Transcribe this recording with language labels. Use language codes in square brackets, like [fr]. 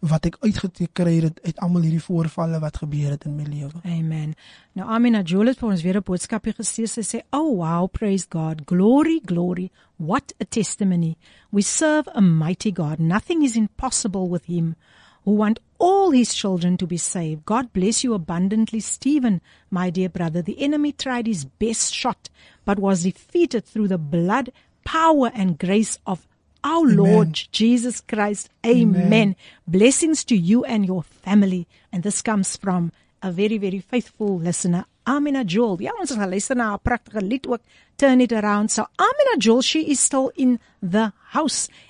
[af] Wat ek uitgekry het uit almal hierdie voorvalle wat gebeur het in my lewe. Amen. Nou Amina Jules het ons weer 'n boodskapie gestuur. Sy sê, [en] "Oh wow, praise God. Glory, glory. What a testimony. We serve a mighty God. Nothing is impossible with him. Who want all his children to be saved. God bless you abundantly, Stephen, my dear brother. The enemy tried his best shot, but was defeated through the blood, power, and grace of our Amen. Lord Jesus Christ. Amen. Amen. Blessings to you and your family." And this comes from a very, very faithful listener, Amina Jewel. [af] Ja, ons gaan luister na 'n pragtige lied ook, Turn It Around. [en] So Amina Jewel, she is still in the house.